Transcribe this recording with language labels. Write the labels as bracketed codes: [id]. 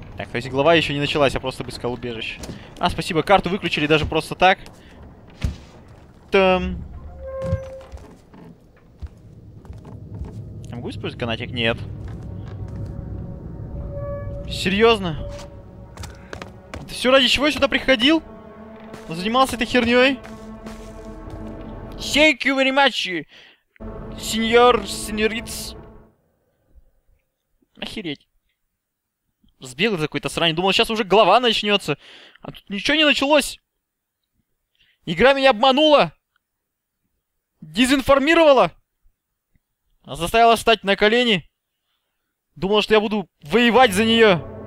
[ru] То есть глава еще не началась, я просто искал убежище. А, спасибо, карту выключили даже просто так. Там. Я могу использовать канатик? Нет. Серьезно? Это все ради чего я сюда приходил? Занимался этой херней? [en] Thank you very much, senior, senorits. [ru] Охереть. Сбегал какой-то срань. Думал, сейчас уже глава начнется. А тут ничего не началось. Игра меня обманула. Дезинформировала. Она заставила встать на колени. Думал, что я буду воевать за нее.